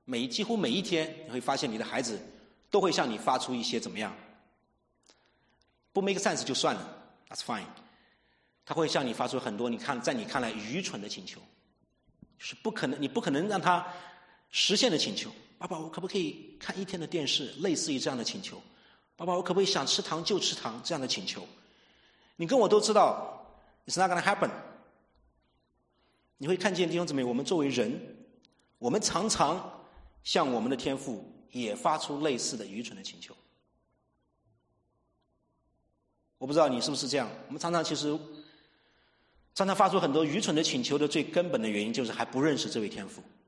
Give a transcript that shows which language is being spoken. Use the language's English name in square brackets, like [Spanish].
[Chinese] 几乎每一天你会发现你的孩子都会向你发出一些怎么样，不 [English] make sense [Chinese] 就算了， [English] that's fine， [Chinese] 他会向你发出很多在你看来愚蠢的请求，就是不可能，你不可能让他实现的请求。爸爸我可不可以看一天的电视，类似于这样的请求。爸爸我可不可以想吃糖就吃糖，这样的请求。你跟我都知道 [English] it's not gonna happen。 [Chinese] 你会看见弟兄姊妹，我们作为人，我们常常向我们的天父也发出类似的愚蠢的请求。我不知道你是不是这样，我们常常其实常常发出很多愚蠢的请求的最根本的原因就是还不认识这位天父。